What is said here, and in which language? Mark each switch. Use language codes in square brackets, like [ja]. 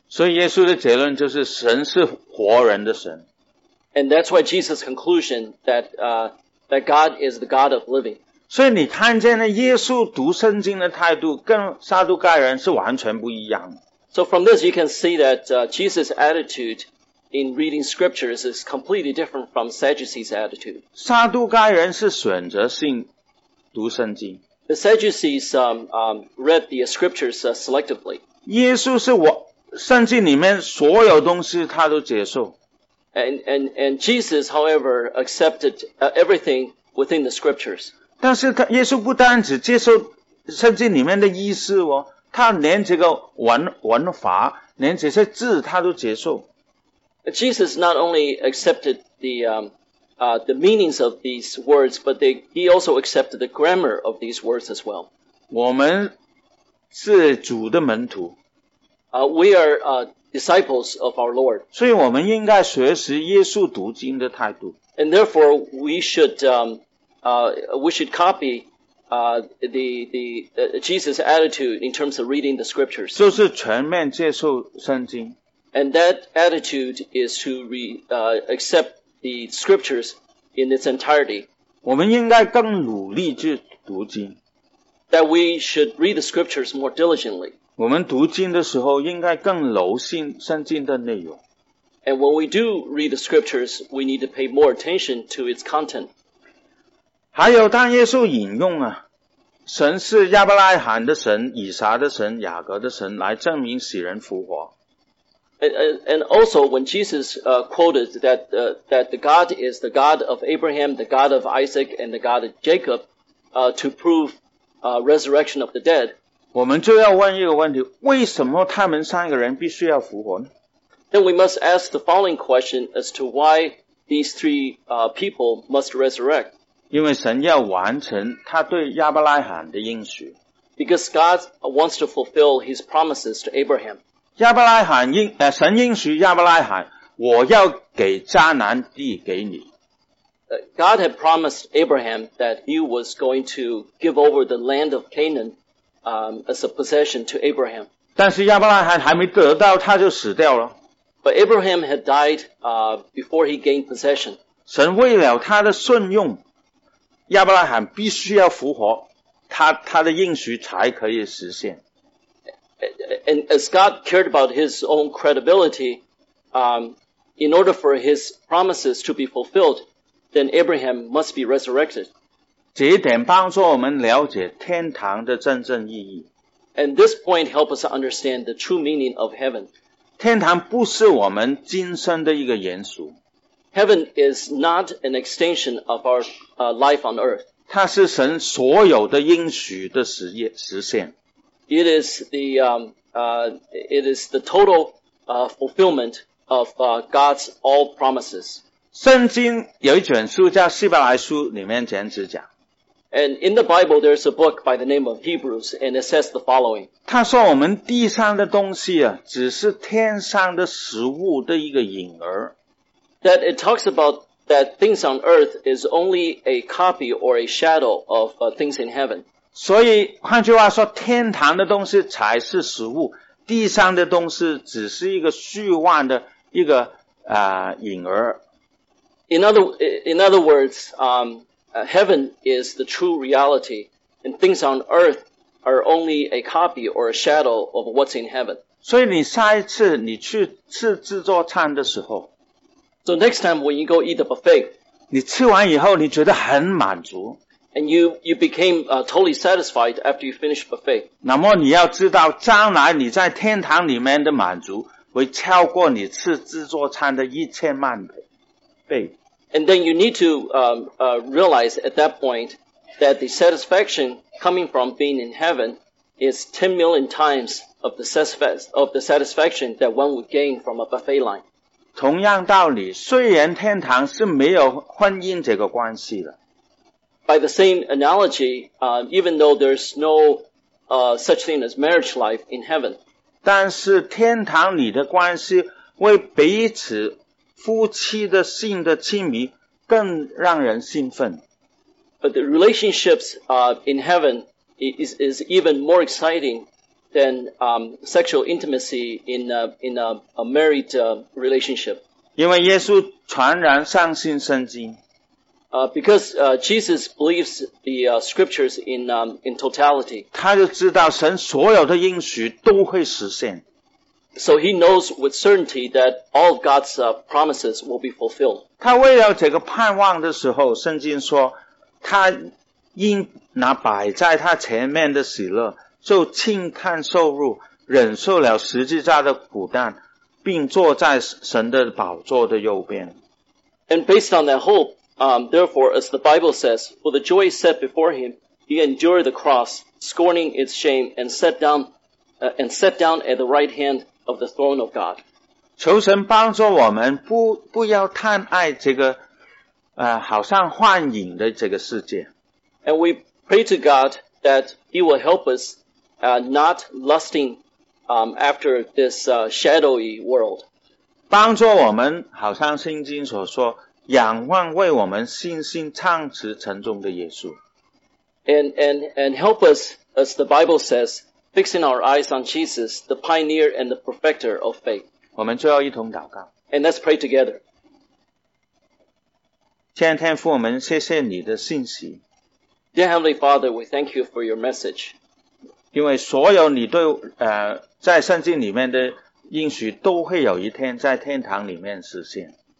[zh] 所以耶稣的结论就是神是活人的神。 [en] And that's why Jesus' conclusion that that God is the God of living. [zh] 所以你看见呢耶稣读圣经的态度跟撒都盖人是完全不一样。 [en] So from this you can see that Jesus' attitude in reading scriptures is completely different from Sadducees' attitude. [zh] 撒都盖人是选择性读圣经。 [en] The Sadducees read the scriptures selectively. [zh] 耶稣是我圣经里面所有东西他都接受。 [en] And Jesus, however, accepted everything within the scriptures. [zh] 但是他耶稣不单只接受圣经里面的意思哦，他连这个文法，连这些字他都接受。 [en] Jesus not only accepted the meanings of these words, but he also accepted the grammar of these words as well. [zh] 我们是主的门徒。 [en] We are disciples of our Lord. [zh] 所以我们应该学习耶稣读经的态度。 [en] And therefore, we should copy the Jesus' attitude in terms of reading the scriptures. [zh] 就是全面接受圣经。 [en] And that attitude is to accept the scriptures in its entirety. [zh] 我们应该更努力去读经。 [en] That we should read the scriptures more diligently. [zh] 我们读经的时候应该更留心圣经的内容。 [en] And when we do read the scriptures, we need to pay more attention to its content. [zh] 还有当耶稣引用啊，神是亚伯拉罕的神、以撒的神、雅各的神来证明死人复活。 [en] And also when Jesus quoted that, that the God is the God of Abraham, the God of Isaac, and the God of Jacob, to prove resurrection of the dead, [zh] 我们就要问一个问题，为什么他们三个人必须要复活呢？ [en] Then we must ask the following question as to why these three people must resurrect. [zh] 因为神要完成他对亚伯拉罕的应许。 [en] Because God wants to fulfill his promises to Abraham. [zh] 亚伯拉罕神应许亚伯拉罕，我要给迦南地给你。 [en] God had promised Abraham that he was going to give over the land of Canaan. As a possession to Abraham. [zh] 但是亚伯拉罕还没得到他就死掉了。 [en] But Abraham had died, before he gained possession. [zh] 神为了他的顺用，亚伯拉罕必须要复活，他的应许才可以实现。 [en] And as God cared about his own credibility, in order for his promises to be fulfilled, then Abraham must be resurrected. [zh] 这一点帮助我们了解天堂的真正意义。 [en] And this point helps us understand the true meaning of heaven. [zh] 天堂不是我们今生的一个延续。 [en] Heaven is not an extension of our life on earth. [zh] 它是神所有的应许的实现。 [en] It is the total fulfillment of God's all promises. [zh] 圣经有一卷书叫希伯来书里面这样子讲。 [en] And in the Bible, there's a book by the name of Hebrews, and it says the following. [zh] 他说我们地上的东西啊，只是天上的食物的一个影儿。 [en] That it talks about that things on earth is only a copy or a shadow of things in heaven. [zh] 所以换句话说，天堂的东西才是食物，地上的东西只是一个虚幻的一个影儿。 [en] In other words,Heaven is the true reality, and things on earth are only a copy or a shadow of what's in heaven. [zh] 所以你下一次你去吃自助餐的时候 [en] So next time when you go eat the buffet [zh] 你吃完以后你觉得很满足 [en] And you became totally satisfied after you finished buffet [zh] 那么你要知道将来你在天堂里面的满足会超过你吃自助餐的一千万倍 [en] And then you need to realize at that point that the satisfaction coming from being in heaven is 10 million timesof the satisfaction that one would gain from a buffet line. [zh] 同样道理，虽然天堂是没有婚姻这个关系的。 [en] By the same analogy, even though there's no such thing as marriage life in heaven, [zh] 但是天堂里的关系为彼此夫妻的性的亲密更让人兴奋。 [en] But the relationships in heaven is even more excitingthan sexual intimacy in a married relationship. [zh] 因为耶稣全然相信圣经。 [en] Because Jesus believes the scriptures in totality. [zh] 他就知道神所有的应许都会实现。 [en] So he knows with certainty that all of God's promises will be fulfilled. [zh] 他为了这个盼望的时候圣经说他因那摆在他前面的喜乐就轻看受辱忍受了十字架的苦难并坐在神的宝座的右边 [en] And based on that hope therefore as the Bible says for the joy set before him he endured the cross scorning its shame and sat down at the right hand of the throne of God [zh] 求神帮助我们 不要贪爱这个好像幻影的这个世界 [en] And we pray to God that he will help usNot lusting after this shadowy world. [zh] 帮助我们好像圣经所说仰望为我们信心唱词成中的耶稣 [en] And help us, as the Bible says, fixing our eyes on Jesus, the pioneer and the perfecter of faith. [zh] 我们最后一同祷告 [en] And let's pray together. [zh] 天天父我们谢谢你的信息 [en] Dear Heavenly Father, we thank you for your message. [zh] 因为所有你对在圣经里面的应许都会有一天在天堂里面实现。